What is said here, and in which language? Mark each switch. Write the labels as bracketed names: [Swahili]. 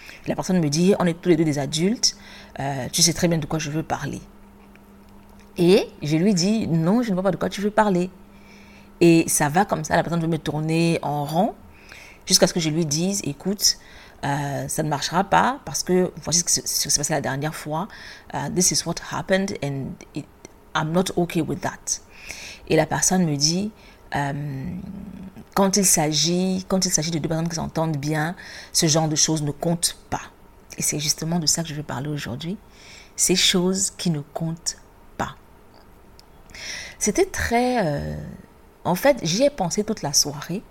[French] Et la personne me dit, on est tous les deux des adultes, tu sais très bien de quoi je veux parler. Et je lui dis, non, je ne vois pas de quoi tu veux parler. Et ça va comme ça, la personne veut me tourner en rond jusqu'à ce que je lui dise, écoute, ça ne marchera pas parce que voici ce qui s'est passé la dernière fois. [English] This is what happened and I'm not okay with that. [French] Et la personne me dit, quand il s'agit de deux personnes qui s'entendent bien, ce genre de choses ne compte pas. Et c'est justement de ça que je veux parler aujourd'hui. Ces choses qui ne comptent pas. C'était très... En fait, j'y ai pensé toute la soirée.